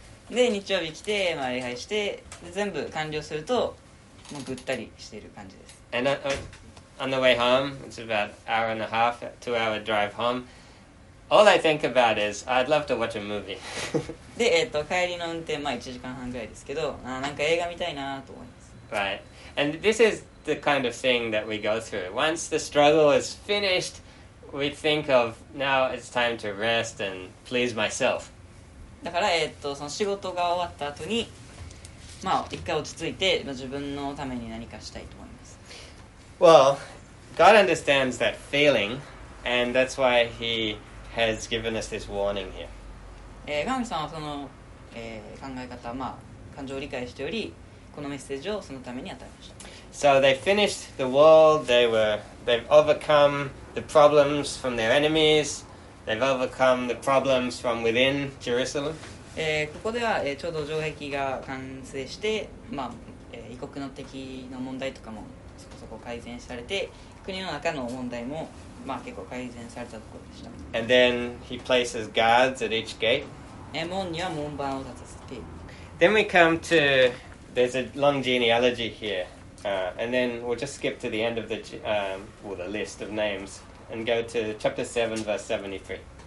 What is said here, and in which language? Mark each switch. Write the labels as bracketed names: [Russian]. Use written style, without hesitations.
[Japanese] で日曜日来て、まあ、礼拝して全部完了するともうぐったりしている感じです。 [English] And on the way home, it's about an hour and a half, 2 hour drive home, all I think about is, I'd love to watch a movie. [Japanese] で、帰りの運転、まあ1時間半ぐらいですけど、あ、なんか映画見たいなと思います。 [English] Right. And this is the kind of thing that we go through. Once the struggle is finished, we think of, now it's time to rest and please myself. [Japanese] だから、その仕事が終わった後に、まあ一回落ち着いて、まあ、自分のために何かしたいと思います。 [English] Well, God understands that feeling, and that's why He... has given us this warning here. [Japanese] 神様はその、考え方、まあ、感情を理解しており、このメッセージをそのために与えました。 [English] So they finished the wall, they've overcome the problems from their enemies, they've overcome the problems from within Jerusalem. [Japanese] ここでは、ちょうど城壁が完成して、まあ、異国の敵の問題とかもそこそこ改善されて、国の中の問題もまあ、結構改善されたところでした。 [English] And then he places guards at each gate. [Japanese] 門には門番を立たせて。 [English] Then we come to, there's a long genealogy here. And then we'll just skip to the end of the, well, the list of names and go to chapter 7, verse 73.